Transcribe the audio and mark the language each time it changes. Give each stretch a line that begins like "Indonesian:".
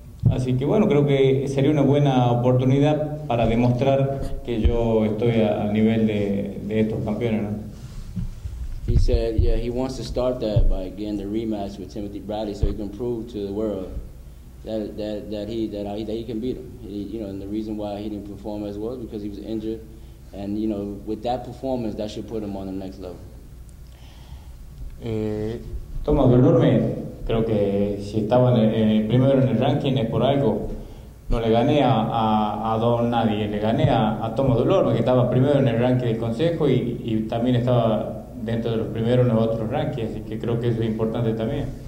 Spanish: Así que bueno, creo que sería una buena oportunidad para demostrar que yo estoy al nivel de estos campeones, ¿no?
English: He said, yeah, he wants to start that by getting the rematch with Timothy Bradley so he can prove to the world that he can beat him. And the reason why he didn't perform as well is because he was injured. And, you know, with that performance, that should put him on the next level.
Spanish: Tomás Valverde, creo que si estaba primero en el ranking es por algo. No le gané a Don Nadie, le gané a Tomás Valverde, que estaba primero en el ranking del Consejo y también estaba dentro de los primeros en los otros rankings, así que creo que eso es importante también.